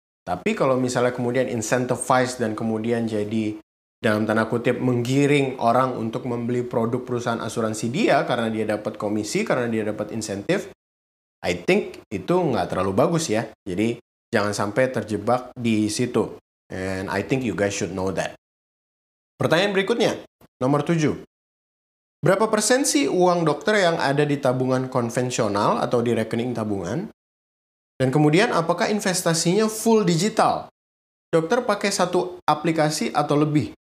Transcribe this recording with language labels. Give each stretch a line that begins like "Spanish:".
Indonesian: Tapi kalau misalnya kemudian incentivize dan kemudian jadi dalam tanda kutip menggiring orang untuk membeli produk perusahaan asuransi dia karena dia dapat komisi, karena dia dapat insentif,
English: I think
Indonesian: itu nggak terlalu bagus ya. Jadi jangan sampai terjebak di situ.
English: And I think you guys should know that.
Indonesian: Pertanyaan berikutnya, nomor 7. Berapa persen sih uang dokter yang ada di tabungan konvensional atau di rekening tabungan? Dan kemudian apakah investasinya full digital? Dokter pakai satu aplikasi atau lebih?